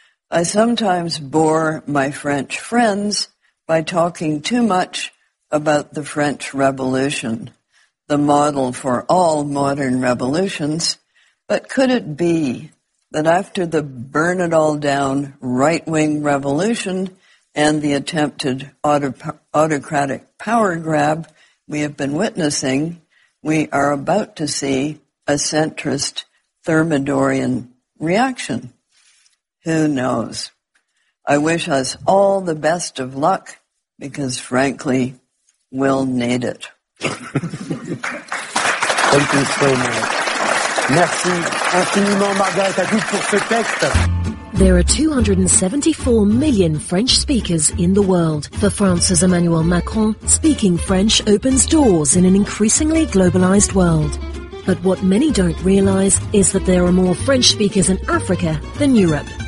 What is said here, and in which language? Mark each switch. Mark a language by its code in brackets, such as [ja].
[en] I sometimes bore my French friends by talking too much about the French Revolution, the model for all modern revolutions, but could it be that after the burn-it-all-down right-wing revolution and the attempted autocratic power grab we have been witnessing, we are about to see a centrist Thermidorian reaction? Who knows? I wish us all the best of luck, because frankly, we'll need it. Thank you so much. [fr] Merci infiniment, Margaret, à vous pour ce texte. [en] There are 274 million French speakers in the world. For France's Emmanuel Macron, speaking French opens doors in an increasingly globalized world. But what many don't realize is that there are more French speakers in Africa than Europe.